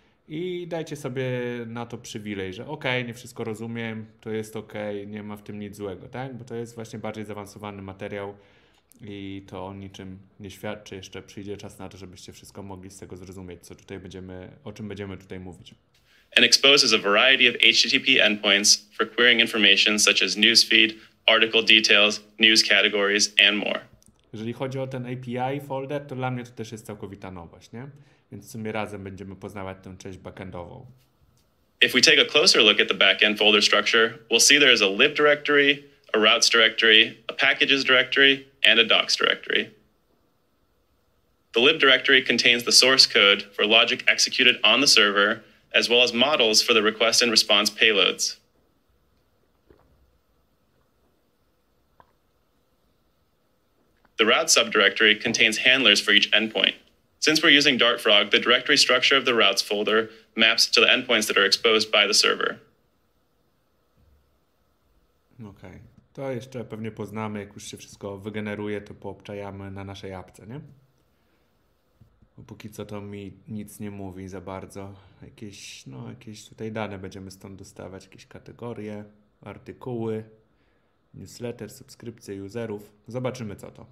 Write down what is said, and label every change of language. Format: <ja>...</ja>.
<pl>I dajcie sobie na to przywilej, że okej, nie wszystko rozumiem, to jest okej, nie ma w tym nic złego, tak? Bo to jest właśnie bardziej zaawansowany materiał i to o niczym nie świadczy. Jeszcze przyjdzie czas na to, żebyście wszystko mogli z tego zrozumieć, o czym będziemy tutaj mówić.</pl> <en>And exposes a variety of HTTP endpoints for querying information such as newsfeed, article details, news categories and more.</en> <pl>Jeżeli chodzi o ten API folder, to dla mnie to też jest całkowita nowość, nie? Więc w sumie razem będziemy poznawać tę część backendową.</pl> <en>If we take a closer look at the backend folder structure, we'll see there is a lib directory, a routes directory, a packages directory, and a docs directory. The lib directory contains the source code for logic executed on the server, as well as models for the request and response payloads. The routes subdirectory contains handlers for each endpoint. Since we're using Dart Frog, the directory structure of the routes folder maps to the endpoints that are exposed by the server. Okay.</en> <pl>To jeszcze pewnie poznamy, jak już się wszystko wygeneruje, to poobczajamy na naszej apce, nie? Bo póki co to mi nic nie mówi za bardzo. Jakieś tutaj dane będziemy stąd dostawać, jakieś kategorie, artykuły, newsletter, subskrypcje userów. Zobaczymy co to.</pl>